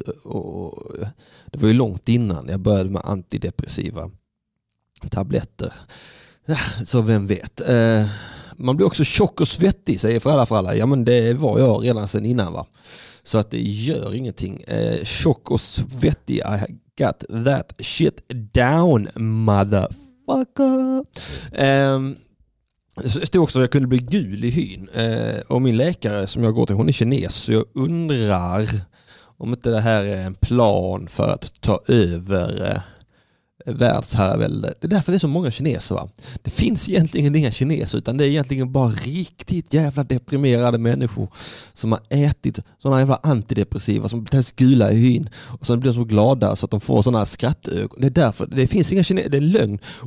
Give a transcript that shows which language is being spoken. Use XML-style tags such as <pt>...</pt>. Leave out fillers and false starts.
<sv>Och det var ju långt innan jag började med antidepressiva tabletter. Så vem vet. Man blir också tjock och svettig, säger Frallafralla. Ja, men det var jag redan sen innan, va? Så att det gör ingenting. Tjock och svettig.</sv> <en>I got that shit down, motherfucker.</en> <sv>Det stod också att jag kunde bli gul i hyn. Och min läkare som jag går till, hon är kines. Så jag undrar om inte det här är en plan för att ta över världsherravälde. Det är därför det är så många kineser, va? Det finns egentligen inga kineser, utan det är egentligen bara riktigt jävla deprimerade människor som har ätit sådana jävla antidepressiva som blir gula i hyn och sen blir så glada så att de får sådana här skrattögon. Det är därför. Det finns inga kineser. Det är lögn.</sv>